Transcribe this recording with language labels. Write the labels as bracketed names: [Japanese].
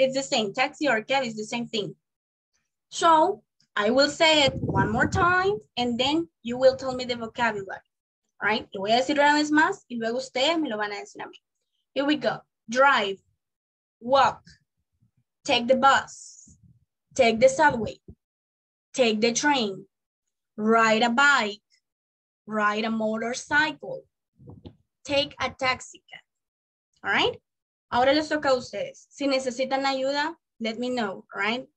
[English] It's the same, taxi or cab is the same thing. So I will say it one more time and then you will tell me the vocabulary, right? [Spanish] Lo voy a decir una vez más y luego ustedes me lo van a decir a mí. [English] Here we go. Drive, walk, take the bus, take the subway, take the train, ride a bike, ride a motorcycle, take a taxi cab. [Spanish] All right? Ahora les toca a ustedes. Si necesitan ayuda, [English] let me know, [Spanish] right?